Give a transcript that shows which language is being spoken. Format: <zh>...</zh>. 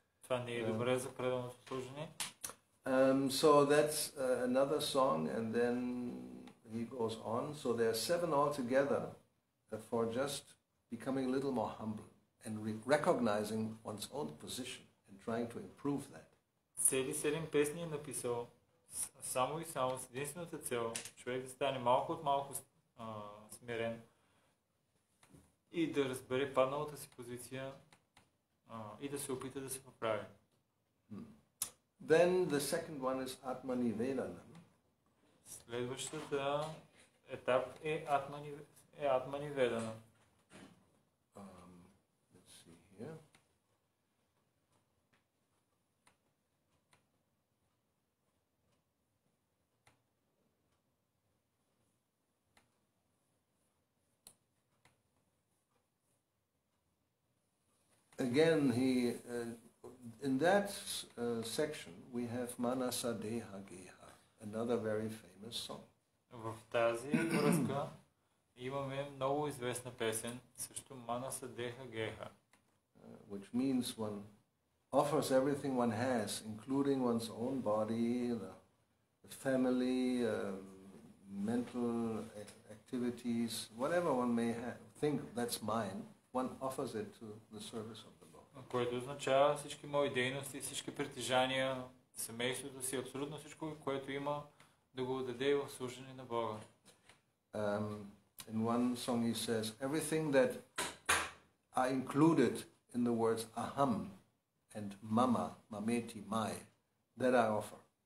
<bg>Това не е добре за преданото служение.</bg> <en>So that's another song and then he goes on, so there are 7 altogether for just becoming a little more humble and recognizing one's own position and trying to improve that.</en> <bg>Цели 7 песни е написал само и само с единствената цел човек да стане малко от малко смирен и да разбере падналата си позиция и да се опита да се поправи.</bg> <en>Then the second one is Atmanivedanam.</en> <bg>Следващата етап е Атманиведана.</bg> <en>Let's see here. Again, he in that section we have Manasa Deha Geha, another very famous.</en> <bg>В тази връзка имаме много известна песен, също Манаса Деха Геха.</bg> <en>Which means one offers everything one has, including one's own body, the family, mental activities, whatever one may have, think that's mine, one offers it to the service of the Lord.</en> <bg>Което означава всички мои дейности, всички притежания, семейството си, абсолютно всичко, което има, да го даде в служене на Бога.</bg> <en>In one song he says, everything that I included in the words aham and mama, mameti, my, that I offer.</en>